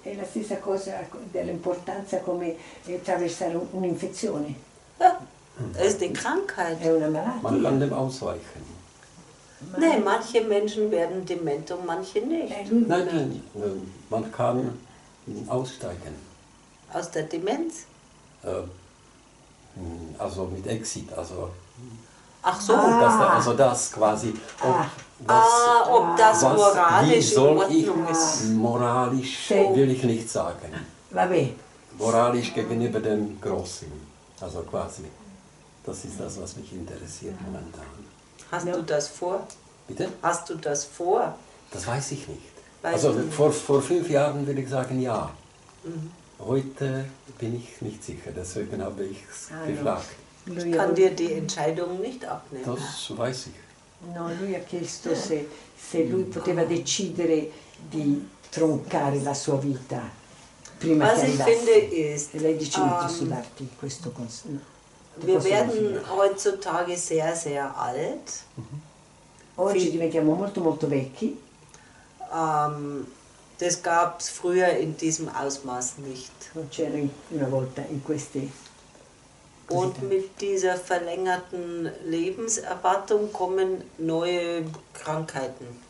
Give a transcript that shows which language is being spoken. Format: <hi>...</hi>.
<it>È la stessa cosa dell'importanza come attraversare un'infezione.</it> <de>Ja, ist die Krankheit.</de> <it>È una malattia.</it> <de>Man kann dem ausweichen. Nein, manche Menschen werden dement und manche nicht. Nein, man kann aussteigen. Aus der Demenz? Also mit Exit, also. Ach so. Also das quasi. Ob das moralisch in Ordnung ist. Moralisch will ich nicht sagen.</de> <it>Vabbè.</it> <de>Moralisch gegenüber dem Großen. Also quasi. Das ist das, was mich interessiert momentan. Hast du das vor? Bitte? Hast du das vor? Das weiß ich nicht. Vor 5 Jahren würde ich sagen, ja. Mhm. Heute bin ich nicht sicher, deswegen habe ich es gefragt. Lui kann dir die Entscheidung nicht abnehmen. Das weiß ich.</de> <it>No, lui ha chiesto se lui poteva decidere di troncare la sua vita prima</it> <de>was</de> <it>che</it> <de>ich finde ist,</de> <it>e lei dice di sudarti questo consiglio.</it> <de>Wir werden heutzutage sehr, sehr alt.</de> <it>Oggi diventiamo molto, molto vecchi.</it> <de>Das gab es früher in diesem Ausmaß nicht.</de> <it>Non c'era una volta in queste.</it> <de>Und mit dieser verlängerten Lebenserwartung kommen neue Krankheiten.</de>